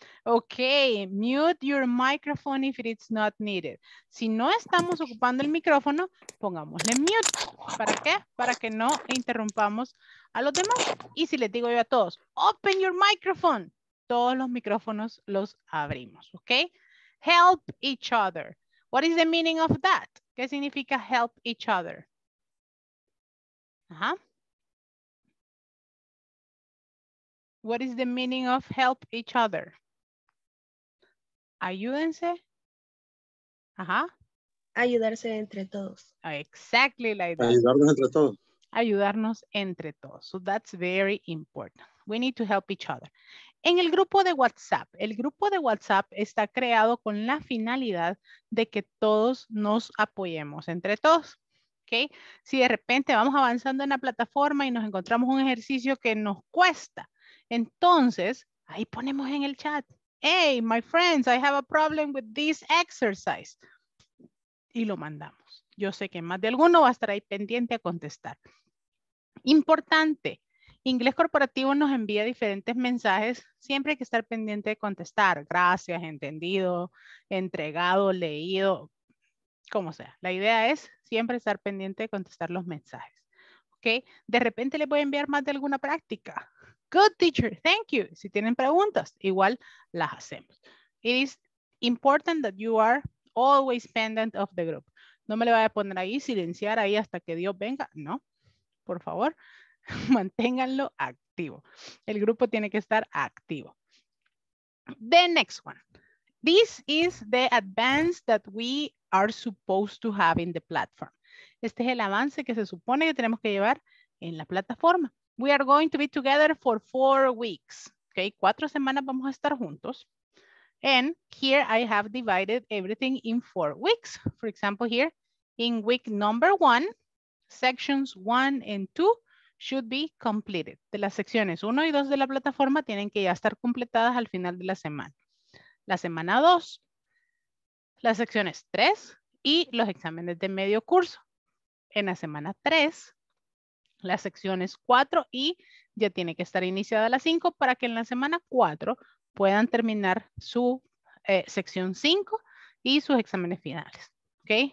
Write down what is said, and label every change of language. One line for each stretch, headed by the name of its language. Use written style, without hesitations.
English: Okay, mute your microphone if it's not needed.
Spanish: Si no estamos ocupando el micrófono, pongámosle mute. ¿Para qué? Para que no interrumpamos a los demás. Y si les digo yo a todos,
English: open your microphone.
Spanish: Todos los micrófonos los abrimos, okay?
English: Help each other. What is the meaning of that?
Spanish: ¿Qué significa
English: help each other? Ajá. What is the meaning of help each other?
Spanish: Ayúdense. Ajá. Ayudarse entre todos.
English: Exactly like that.
Spanish: Ayudarnos entre todos. Ayudarnos entre todos.
English: So that's very important. We need to help each other.
Spanish: En el grupo de WhatsApp, el grupo de WhatsApp está creado con la finalidad de que todos nos apoyemos entre todos. Okay. Si de repente vamos avanzando en la plataforma y nos encontramos un ejercicio que nos cuesta, entonces ahí ponemos en el chat.
English: Hey, my friends, I have a problem with this exercise.
Spanish: Y lo mandamos. Yo sé que más de alguno va a estar ahí pendiente a contestar. Importante, Inglés Corporativo nos envía diferentes mensajes. Siempre hay que estar pendiente de contestar. Gracias, entendido, entregado, leído, como sea. La idea es siempre estar pendiente de contestar los mensajes. ¿Okay? De repente les voy a enviar más de alguna práctica.
English: Good teacher, thank you.
Spanish: Si tienen preguntas, igual las hacemos.
English: It is important that you are always pendant of the group.
Spanish: No me le vaya a poner ahí, silenciar ahí hasta que Dios venga. No, por favor, manténganlo activo. El grupo tiene que estar activo.
English: The next one. This is the advance that we are supposed to have in the platform.
Spanish: Este es el avance que se supone que tenemos que llevar en la plataforma.
English: We are going to be together for 4 weeks. Okay,
Spanish: 4 semanas vamos a estar juntos.
English: And here I have divided everything in 4 weeks. For example, here in week number 1, sections 1 and 2 should be completed.
Spanish: De las secciones 1 y 2 de la plataforma tienen que ya estar completadas al final de la semana. La semana 2, las secciones 3 y los exámenes de medio curso. En la semana 3, las secciones 4 y ya tiene que estar iniciada la 5 para que en la semana 4 puedan terminar su sección 5 y sus exámenes finales. ¿Okay?